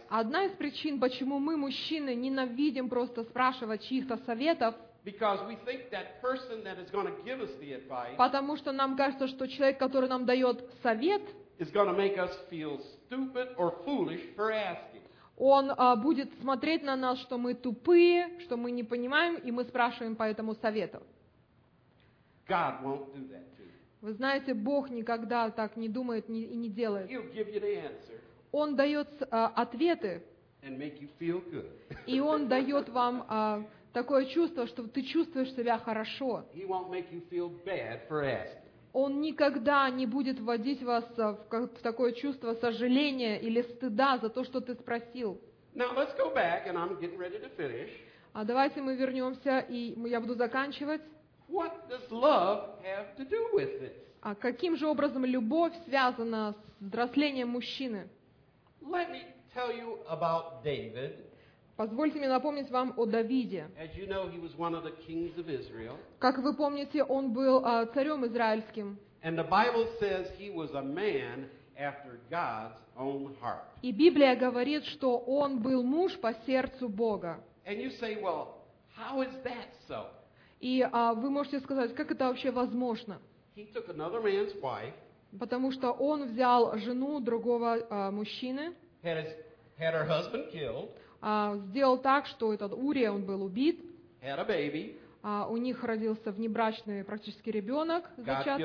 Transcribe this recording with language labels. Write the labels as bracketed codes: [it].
[ru] одна из причин, почему мы, мужчины, ненавидим просто спрашивать чьих-то советов, [en] because we think that person that is going to give us the advice, [ru] потому что нам кажется, что человек, который нам дает совет, [en] is going to make us feel stupid or foolish for asking. [ru] Он будет смотреть на нас, что мы тупые, что мы не понимаем, и мы спрашиваем по этому совету. [en] God won't do that to you. [ru] Вы знаете, Бог никогда так не думает и не делает. [en] He'll give you the answer. [ru] Он дает ответы. [en] And make you feel good. [ru] И он дает вам такое чувство, что ты чувствуешь себя хорошо. [en] He won't make you feel bad for asking. [ru] Он никогда не будет вводить вас в такое чувство сожаления или стыда за то, что ты спросил. [en] Now let's go back, and I'm getting ready to finish. [ru] А давайте мы вернемся, и я буду заканчивать. [en] What does love have to do with this? [ru] А каким же образом любовь связана с взрослением мужчины? [en] Let me tell you about David. [ru] Позвольте мне напомнить вам о Давиде. [en] As you know, he was one of the kings of Israel. [ru] Как вы помните, он был царем израильским. [en] And the Bible says he was a man after God's own heart. [ru] И Библия говорит, что он был муж по сердцу Бога. [en] And you say, well, how is that so? [ru] И вы можете сказать, как это вообще возможно? [en] He took another man's wife. [ru] Потому что он взял жену другого мужчины. [en] Had her husband killed. [ru] Сделал так, что этот Урия, он был убит. [en] Had a baby. [ru] У них родился внебрачный практически ребенок, зачатый.